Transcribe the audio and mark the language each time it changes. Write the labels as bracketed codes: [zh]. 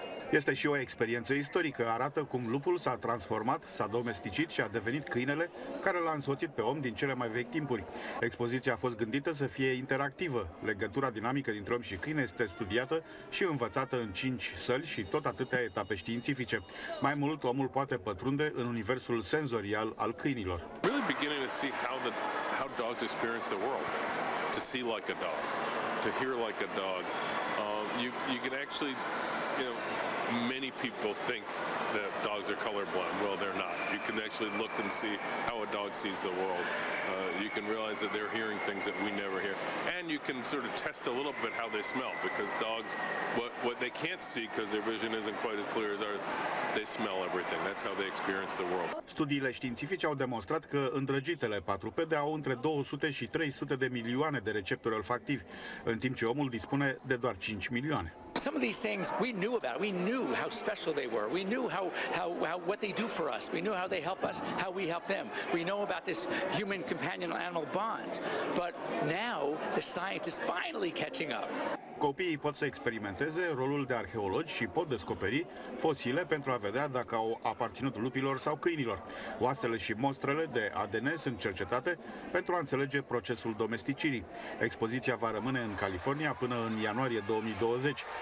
[ro] Este și o experiență istorică. Arată cum lupul s-a transformat, s-a domesticit și a devenit câinele care l-a însoțit pe om din cele mai vechi timpuri. Expoziția a fost gândită să fie interactivă. Legătura dinamică dintre om și câine este studiată și învățată în 5 săli și tot atâtea etape științifice. Mai mult, omul poate pătrunde în universul senzorial al câinilor. [en] Really beginning to see how dogs experience the world. To see like a dog, to hear like a dog. You can actually, you know, many people think that dogs are colorblind. Well, they're not. You can actually look and see how a dog sees the world. You can realize that they're hearing things that we never hear. And you can sort of test a little bit how they smell, because dogs, what they can't see because their vision isn't quite as clear as ours, they smell everything. That's how they experience the world. [ro] Studiile științifice au demonstrat că îndrăgitele patrupede au între 200 și 300 de milioane de receptori olfactivi, în timp ce omul dispune de doar 5 milioane. [en] Some of these things we knew about. We knew how special they were. We knew how what they do for us. We knew how they help us, how we help them. We know about this human companion animal bond. But now the science is finally catching up. [ro] Copiii pot să experimenteze rolul de arheologi și pot descoperi fosile pentru a vedea dacă au aparținut lupilor sau câinilor. Oasele și mostrele de ADN sunt cercetate pentru a înțelege procesul domesticirii. Expoziția va rămâne în California până în ianuarie 2020.